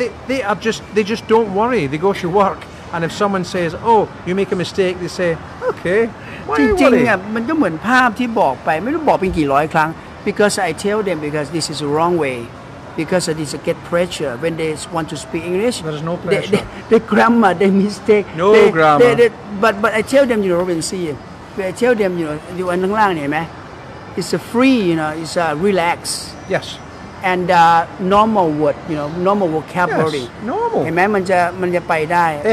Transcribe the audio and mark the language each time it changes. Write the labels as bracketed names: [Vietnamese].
[English] they are just they just don't worry they go to work and if someone says oh you make a mistake they say okay [Thai] จริงๆอ่ะมันก็เหมือนภาพที่บอกไปไม่รู้บอกเป็นกี่ร้อยครั้ง [English] Because I tell them because this is the wrong way, because it is get pressure when they want to speak English. There is no pressure. The grammar, the mistake. No grammar. But I tell them, you know, Robin, see, I tell them, you know, you are nang lang, right? It's a free, you know, it's a relax. Yes. And normal word, you know, normal vocabulary. Yes, normal. Right? [Thai] มันจะไปได้